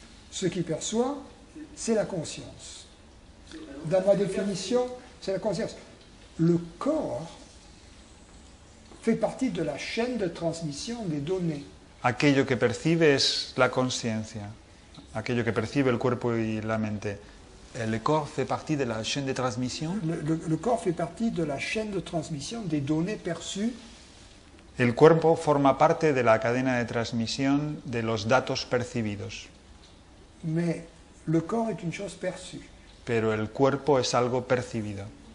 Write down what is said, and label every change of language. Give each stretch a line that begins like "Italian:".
French: Ce qui perçoit, c'est la conscience. Dans ma définition, c'est la conscience. Le corps fait partie de la chaîne de transmission des données.
Spanish: Aquello que percibe es la conciencia. Aquello que percibe el cuerpo y la mente.
French: Le corps fait partie de la chaîne de transmission. Le corps fait partie de la chaîne de transmission des données perçues.
Spanish: El cuerpo forma parte de la cadena de transmisión de los datos percibidos.
French: Mais le corps est une chose perçue.
Spanish: pero el cuerpo es algo percibido.